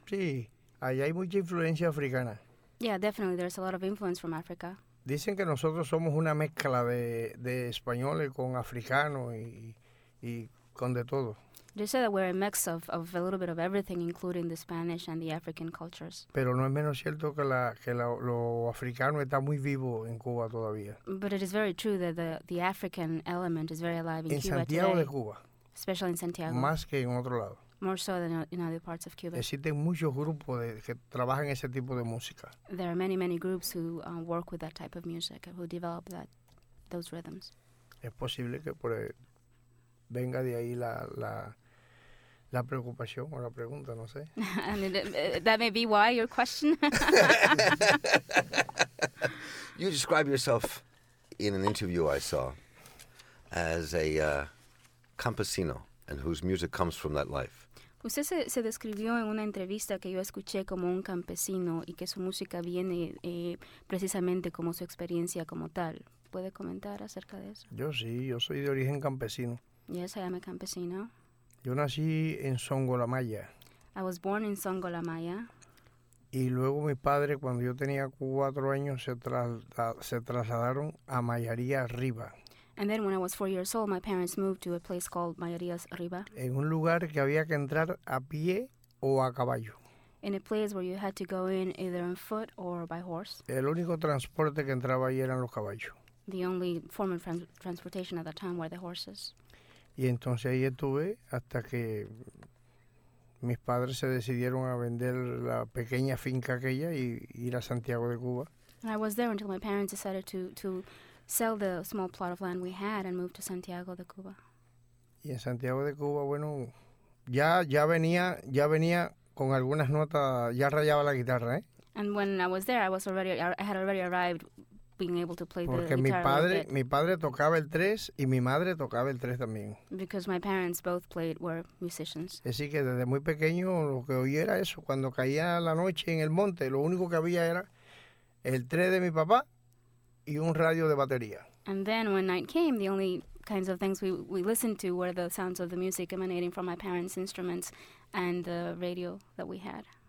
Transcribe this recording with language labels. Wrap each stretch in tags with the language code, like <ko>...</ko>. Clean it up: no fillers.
<es>Sí, ahí hay mucha influencia africana.</es> <en>Yeah, definitely, there's a lot of influence from Africa.</en> <es>Dicen que nosotros somos una mezcla de españoles con africanos y con de todo.</es> <en>They say that we're a mix of a little bit of everything, including the Spanish and the African cultures.</en> <es>Pero no es menos cierto que lo africano está muy vivo en Cuba todavía.</es> <en>But it is very true that the African element is very alive in</en> <es>en Cuba Santiago</es> <en>today.</en> <es>En Santiago de Cuba.</es> <en>Especially in Santiago.</en> <es>Más que en otro lado.</es> <en>More so than in other parts of Cuba.</en> <es>Existen muchos grupos que trabajan ese tipo de música.</es> <en>There are many, many groups who work with that type of music, who develop that those rhythms.</en> <es>Es posible que por venga de ahí la preocupación o la pregunta, no sé.</es> <en>That may be why, your question. You describe yourself in an interview I saw as a campesino, and whose music comes from that life.</en> <es>Usted se describió en una entrevista que yo escuché como un campesino y que su música viene precisamente como su experiencia como tal. ¿Puede comentar acerca de eso? Yo sí, yo soy de origen campesino.</es> <en>Yes, I am a campesino.</en> <es>Yo nací en Songolamaya.</es> <en>I was born in Songolamaya.</en> <es>Y luego mi padre, cuando yo tenía 4 años, se trasladaron a Mayaría Arriba.</es> <en>And then when I was 4 years old, my parents moved to a place called Mayarías Arriba.</en> <es>En un lugar que había que entrar a pie o a caballo.</es> <en>In a place where you had to go in either on foot or by horse.</en> <es>El único transporte que entraba ahí eran los caballos.</es> <en>The only form of transportation at that time were the horses.</en> <es>Y entonces ahí estuve hasta que mis padres se decidieron a vender la pequeña finca aquella y ir a Santiago de Cuba.</es> <en>And I was there until my parents decided to sell the small plot of land we had and move to Santiago de Cuba.</en> <es>Y en Santiago de Cuba, bueno, ya venía con algunas notas, ya rayaba la guitarra, ¿eh?</es> <en>And when I was there, I had already arrived being able to play</en> <es>Porque</es> <en>the guitar.</en> <es>Porque mi padre tocaba el 3 y mi madre tocaba el 3 también.</es> <en>Because my parents both played were musicians.</en> <es>Así que desde muy pequeño lo que oía era eso, cuando caía la noche en el monte, lo único que había era el 3 de mi papá y un radio de batería.</es> <en>And then when night came, the only kinds of things we listened to were the sounds of the music emanating from my parents' instruments and the radio that we had.</en>